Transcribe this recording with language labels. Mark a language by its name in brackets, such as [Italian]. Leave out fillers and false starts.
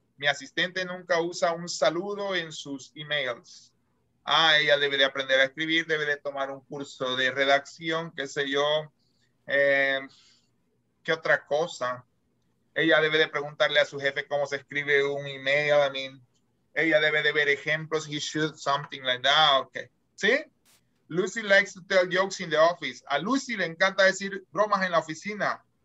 [Spanish] Mi asistente nunca usa un saludo en sus emails. Ah, ella debe de aprender a escribir, debe de tomar un curso de redacción, qué sé yo. ¿Qué otra cosa? Ella debe de preguntarle a su jefe cómo se escribe un email. [English] I mean, [Spanish] ella debe de ver ejemplos. [English] He should something like that. Okay. [Spanish] ¿Sí? [English] Lucy likes to tell jokes in the office. [Spanish] A Lucy le encanta decir bromas en la oficina.